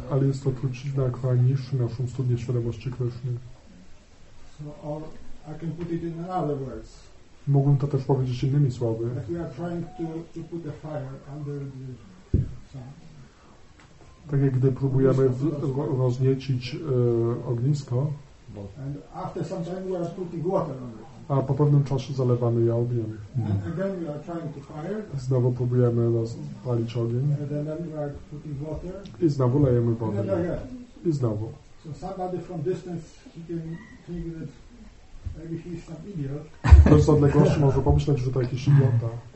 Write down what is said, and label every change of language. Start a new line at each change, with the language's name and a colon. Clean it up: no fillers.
Polish: Ale jest to trucizna, która niszczy naszą studnię świadomości Kryszny.
English: So or I can put it in other words.
Polish: Mogłem to też powiedzieć innymi słowy.
English: That we are trying to put the fire under the sun.
Polish: Tak jak gdy próbujemy rozniecić ognisko,
English: and after some time we are putting water on it.
Polish: A po pewnym czasie zalewamy je ogniem.
English: And again we are trying to fire.
Polish: Znowu próbujemy rozpalić ogień.
English: And then we are putting water.
Polish: I znowu lejemy wodę. I znowu.
English: So somebody from distance he can think that maybe he is some idiot.
Polish: Ktoś z odległości może pomyśleć, że to jakiś idiota.